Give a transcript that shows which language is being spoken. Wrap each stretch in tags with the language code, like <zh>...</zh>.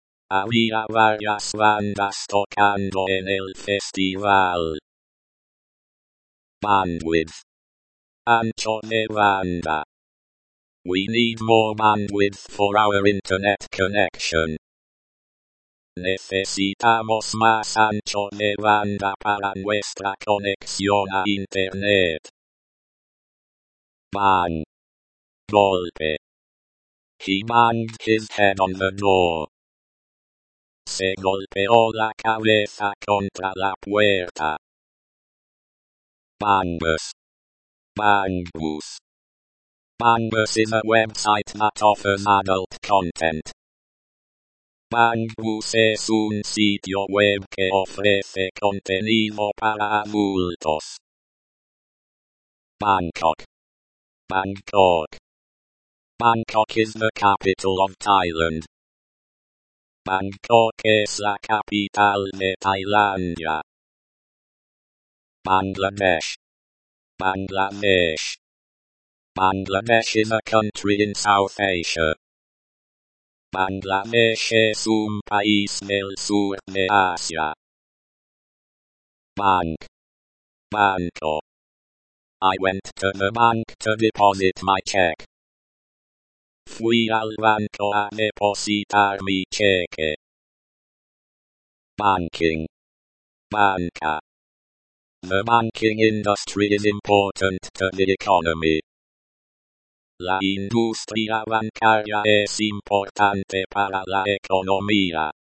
<es>Había varias bandas tocando en el festival. Bandwidth.</es> <en>Ancho de banda. We need more bandwidth for our internet connection.</en> <es>Necesitamos más ancho de banda para nuestra conexión a internet.</es> <en>Bang. Golpe. He banged his head on the door.</en> <es>Se golpeó la cabeza contra la puerta. Bangus. Bangus.</es> <en>Bangus is a website that offers adult content.</en> <es>Bangus es un sitio web que ofrece contenido para adultos.</es> <en>Bangkok. Bangkok. Bangkok is the capital of Thailand.</en> <es>Bangkok es la capital de Tailandia. Bangladesh.</es> <en>Bangladesh. Bangladesh is a country in South Asia.</en> <es>Bangladesh es un país del sur de Asia. bank. Banco.</es> <en>I went to the bank to deposit my check.</en> <es>Fui al banco a depositar mi cheque.</es> <en>Banking. Banca. The banking industry is important to the economy.</en> <es>La industria bancaria es importante para la economía.</es>